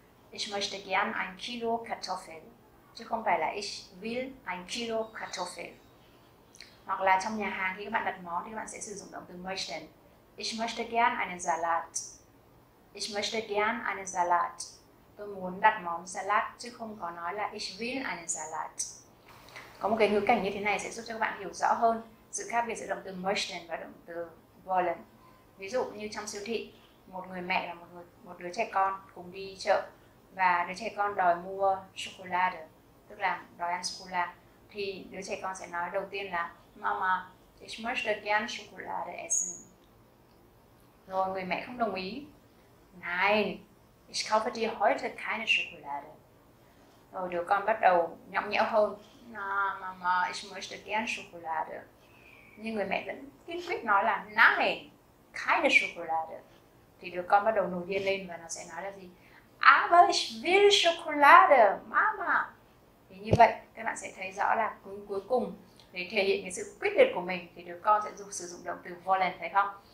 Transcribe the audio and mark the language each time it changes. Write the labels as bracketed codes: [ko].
[de] Ich möchte gern ein Kilo Kartoffeln. [vi] Chứ không phải là [de] ich will ein Kilo Kartoffeln. [vi] Hoặc là trong nhà hàng khi các bạn đặt món thì các bạn sẽ sử dụng động từ möchten. [de] Ich möchte gern einen Salat. Ich möchte gern einen Salat. [vi] Tôi muốn đặt món salad chứ không có nói là [de] ich will einen Salat. [vi] Có một cái ngữ cảnh như thế này sẽ giúp cho các bạn hiểu rõ hơn sự khác biệt giữa động từ möchten và động từ wollen. Ví dụ như trong siêu thị, một người mẹ và một đứa trẻ con cùng đi chợ và đứa trẻ con đòi mua sô cô la, tức là đòi ăn sô cô la, thì đứa trẻ con sẽ nói đầu tiên là Mama, [de] Ich möchte gern Schokolade essen. [vi] Rồi người mẹ không đồng ý. [de] Nein, ich kaufe dir heute keine Schokolade. [vi] Rồi đứa con bắt đầu nhõng nhẽo hơn. [de] No, Mama, ich möchte gern Schokolade. [vi] Nhưng người mẹ vẫn kiên quyết nói là [de] nein, keine Schokolade. [vi] Thì đứa con bắt đầu nổi điên lên và nó sẽ nói là gì? [de] Aber ich will Schokolade, Mama. [vi] Thì như vậy các bạn sẽ thấy rõ là cuối cùng để thể hiện cái sự quyết liệt của mình thì đứa con sẽ sử dụng động từ wollen, phải không?